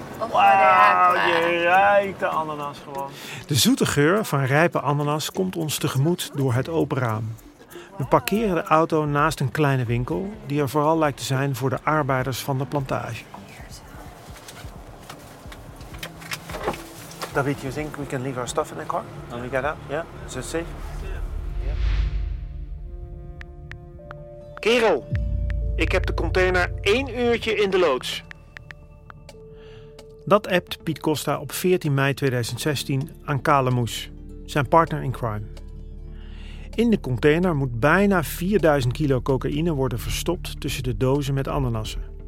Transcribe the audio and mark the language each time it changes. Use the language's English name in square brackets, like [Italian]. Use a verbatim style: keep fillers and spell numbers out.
[Dutch] Wauw, je ruikt de ananas gewoon. De zoete geur van rijpe ananas komt ons tegemoet door het open raam. We parkeren de auto naast een kleine winkel... die er vooral lijkt te zijn voor de arbeiders van de plantage. [English] David, you think we can leave our stuff in the car and we get out? Yeah, is it safe? Yeah. [Dutch] Kerel, ik heb de container één uurtje in de loods. Dat appt Piet Costa op veertien mei tweeduizend zestien aan Kale Moes, zijn partner in crime. In de container moet bijna vierduizend kilo cocaïne worden verstopt tussen de dozen met ananassen.